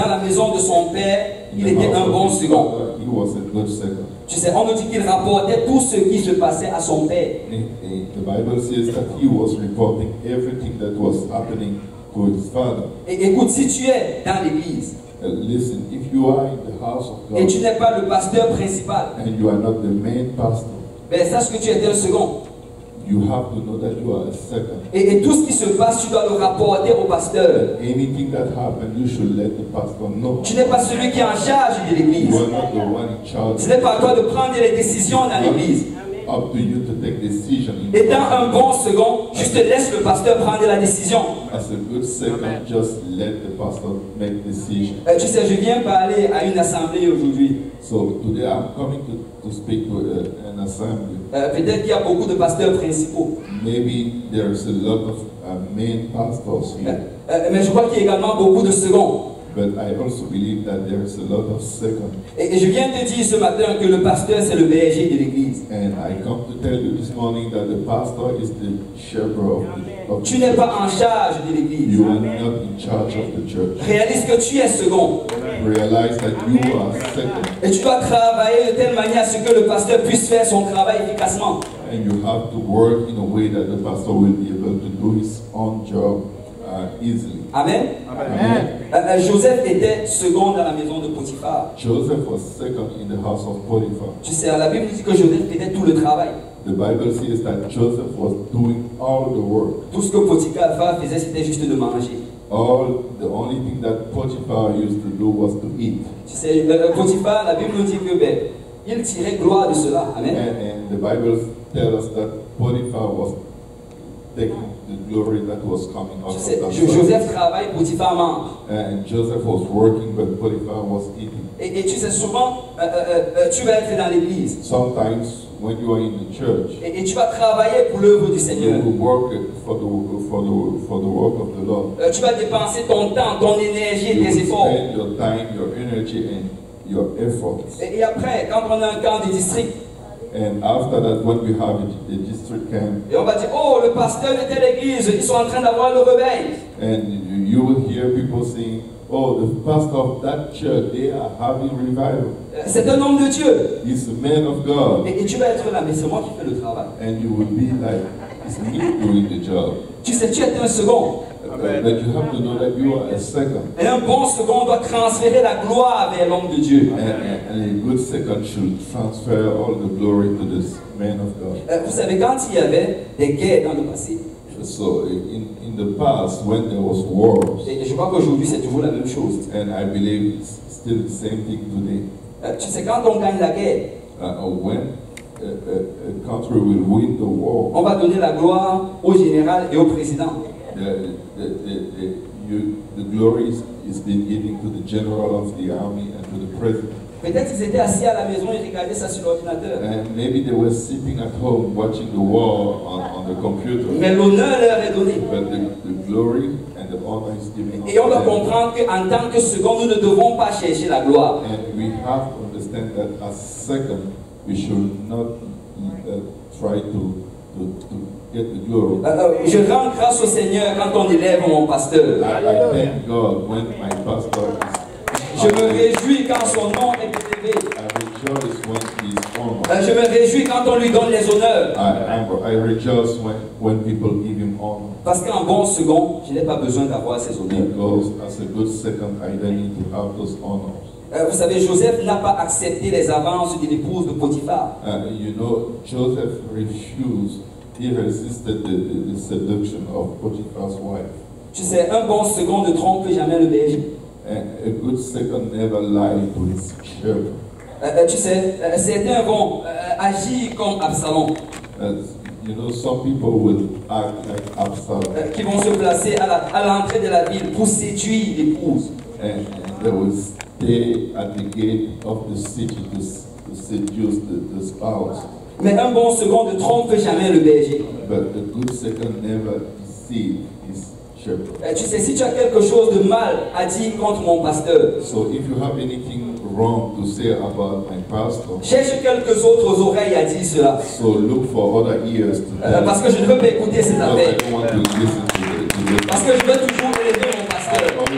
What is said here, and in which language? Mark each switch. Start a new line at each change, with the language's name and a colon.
French: Dans la maison de son père, il était un bon second.
English: He was a good second.
French: Tu sais, on nous dit qu'il rapportait tout ce qui se passait à son père.
English: The Bible says that he was reporting everything that was happening to his father.
French: Écoute, si tu es dans l'église,
English: Listen, if you are in the house of God,
French: et tu n'es pas le pasteur principal,
English: and you are not the main pastor,
French: ben sache que tu es un second.
English: You have to know that you are a second.
French: Et tout ce qui se passe, tu dois le rapporter au pasteur.
English: Anything that happened, you should let the pastor know.
French: Tu n'es pas celui qui est en charge de l'église.
English: You are not the one in charge.
French: Ce n'est pas à toi de prendre les décisions dans l'église.
English: Up to you to take decision.
French: Étant un bon second, juste laisse le pasteur prendre la décision.
English: As a good second, just let the pastor make decision.
French: Tu sais, je viens parler à une assemblée aujourd'hui.
English: So today I'm coming to speak to an assembly.
French: Peut-être qu'il y a beaucoup de pasteurs principaux.
English: Maybe there's a lot of main pastors here.
French: Mais je crois qu'il y a également beaucoup de seconds.
English: But I also believe that there is a lot of second.
French: Et je viens te dire ce matin que le pasteur c'est le BG de l'église.
English: And I come to tell you this morning that the pastor is the shepherd of the church.
French: Tu n'es pas en charge de l'église.
English: You are not in charge of the church.
French: Réalise que tu es second.
English: Realize that you are second.
French: Et tu dois travailler de telle manière à ce que le pasteur puisse faire son travail efficacement.
English: And you have to work in a way that the pastor will be able to do his own job. Easily. Amen. Amen. Amen.
French: Joseph était second dans la maison de Potiphar.
English: Joseph was second in the house of Potiphar.
French: Tu sais, la Bible dit que Joseph faisait tout le travail.
English: The Bible says that Joseph was doing all the work.
French: Tout ce que Potiphar faisait, c'était juste de manger.
English: All the only thing that Potiphar used to do was to eat.
French: Tu sais, Potiphar, la Bible nous dit que ben, il tirait gloire de cela. Amen.
English: And the Bible tells us that Potiphar was taking the glory that was coming out of that.
French: Joseph travaille, Potiphar mange.
English: And Joseph was working, but Potiphar was eating.
French: Et tu sais, souvent, tu vas être dans l'église.
English: Sometimes, when you are in the church,
French: et tu vas travailler pour l'œuvre du Seigneur.
English: You work for the work of the Lord.
French: Tu vas dépenser ton temps, ton énergie,
English: you
French: tes efforts.
English: Spend your time, your energy, and your efforts.
French: Et après, quand on a un camp de district,
English: and after that, what we have in the district camp.
French: Et on va dire, oh, le pasteur de telle église, ils sont en train d'avoir le réveil.
English: And you will hear people saying, oh, the pastor of that church, they are having revival.
French: C'est un homme de Dieu.
English: He's a man of God.
French: Et tu vas être là, mais c'est moi qui fais le travail.
English: And you will be like, it's me doing the job.
French: Tu sais, tu es un second.
English: But you have to know that you are a second.
French: Et un bon second doit transférer la gloire vers l'homme de Dieu.
English: And a good second should transfer all the glory to this man of God.
French: Vous savez, quand il y avait des guerres dans le passé,
English: so in the past when there was wars,
French: et je crois qu'aujourd'hui c'est toujours la même chose.
English: And I believe it's still the same thing today.
French: Tu sais, quand on gagne la guerre,
English: when a country will win the war,
French: on va donner la gloire au général et au président.
English: The glory is being given to the general of the army and to the president.
French: Peut-être ils étaient assis à la maison et regardaient ça sur l'ordinateur.
English: And maybe they were sitting at home watching the war on the computer.
French: Mais l'honneur leur est donné.
English: But the glory and the honor is given.
French: Et on va comprendre que en tant que second, nous ne devons pas chercher la gloire.
English: And we have to understand that as second, we should not try to get the glory.
French: Je rends grâce au Seigneur quand on élève mon pasteur.
English: I thank God when my pastor is.
French: Je me réjouis quand son nom est élevé.
English: I rejoice when he is honored.
French: Je me réjouis quand on lui donne les honneurs.
English: I rejoice when people give him honor.
French: Parce qu'en bon second, je n'ai pas besoin d'avoir ces honneurs.
English: Because as a good second, I don't need to have those honors.
French: Vous savez, Joseph n'a pas accepté les avances de l'épouse de Potiphar.
English: You know, Joseph refused. He resisted the seduction of Potiphar's wife.
French: Tu sais, un bon second ne trompe jamais le berger.
English: A good second never lied to his shepherd.
French: Tu sais, certains vont agir comme Absalom.
English: You know, some people will act like Absalom.
French: Qui vont se placer à l'entrée de la ville pour séduire l'épouse.
English: And they will stay at the gate of the city to seduce the spouse.
French: Mais un bon second ne trompe jamais le berger.
English: But a good second never deceives his shepherd.
French: Tu sais, si tu as quelque chose de mal à dire contre mon pasteur,
English: so if you have anything wrong to say about my pastor,
French: cherche quelques autres oreilles à dire cela.
English: So look for other ears to hear.
French: Parce que je ne veux pas écouter cette affaire.
English: I want to listen to the
French: parce que je veux toujours élever mon pasteur.